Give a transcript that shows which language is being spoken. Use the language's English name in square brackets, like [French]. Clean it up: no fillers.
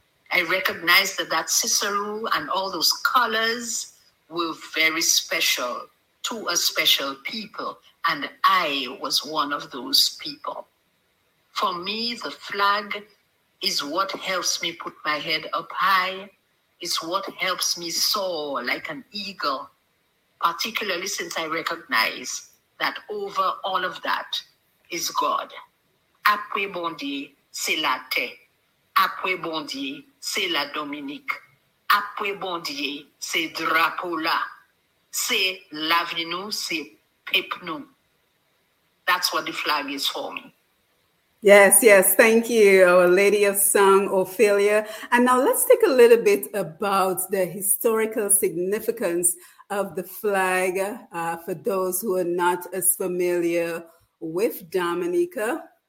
[English] I recognized that Cicero and all those colors were very special to a special people, and I was one of those people. For me, the flag is what helps me put my head up high. It's what helps me soar like an eagle, particularly since I recognize that over all of that is God. [Saint Lucian Creole French] Après bon Dieu, c'est la terre. Après bon Dieu, c'est la Dominique. Après bon Dieu, c'est drapeau-là. C'est la vie nous, c'est peuple nous. [English] That's what the flag is for me. Yes, yes. Thank you, our Lady of Song, Ophelia. And now let's take a little bit about the historical significance of the flag for those who are not as familiar with Dominica.